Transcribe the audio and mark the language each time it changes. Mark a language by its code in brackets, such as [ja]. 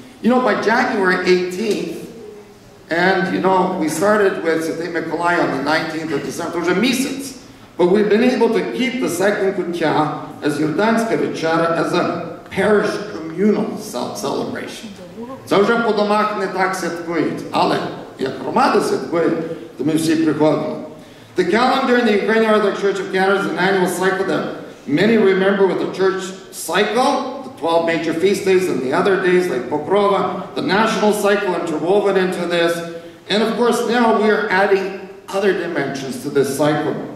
[en] You know, by January 18th, and, you know, we started with Sete Mikolai on the 19th of December, those are Mises. But we've been able to keep the second Kutya as Yurdanska Vichara as a parish communal celebration. [uk] So вже по домах не так святкують, але як громада святкують, то ми всі приходимо. [en] The calendar in the Ukrainian Orthodox Church of Canada is an annual cycle that many remember with the church cycle, the 12 major feast days and the other days like Pokrova, the national cycle interwoven into this. And of course now we are adding other dimensions to this cycle.